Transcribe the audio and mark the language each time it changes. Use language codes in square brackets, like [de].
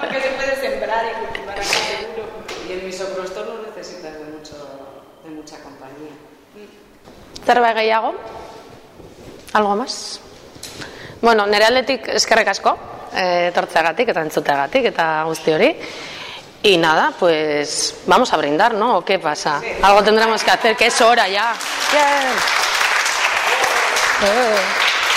[es] Porque se puede sembrar y cultivar acá seguro. Y el misoprostol no necesita de, mucho, de mucha compañía. [eu] ¿Zerbait gehiago? [es] ¿Algo más? [eu] Bueno, nire aldetik eskerrek asko, etortzeagatik eta entzuteagatik eta guzti hori. [es] Y nada, pues vamos a brindar, ¿no? ¿O qué pasa? Sí. Algo tendremos que hacer, que es hora ya. Bien.